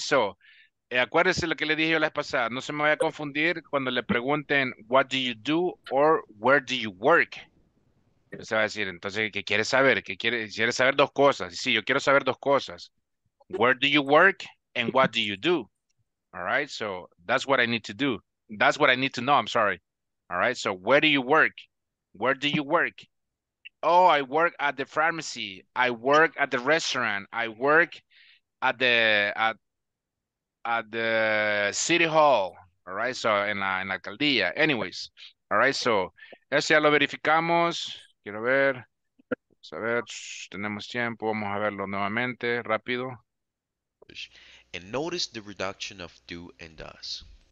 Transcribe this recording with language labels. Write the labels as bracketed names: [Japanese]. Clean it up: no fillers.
[Spanish] So, acuérdese lo que le dije yo la vez pasada. No se me vaya a confundir cuando le pregunten, [English] what do you do or where do you work? [Spanish] Se va a decir, entonces, ¿qué quiere saber? ¿Qué quiere saber dos cosas? Sí, yo quiero saber dos cosas. [English] Where do you work and what do you do? All right, so that's what I need to do. That's what I need to know, I'm sorry. All right, so where do you work? Where do you work? Oh, I work at the pharmacy. I work at the restaurant. I work at the city hall. All right, so [Spanish] en la alcaldía. [English] Anyways, all right, so [Spanish] eso ya lo verificamos. Quiero ver, vamos a ver, tenemos tiempo, vamos a verlo nuevamente, rápido. [English] And notice the reduction of do and does.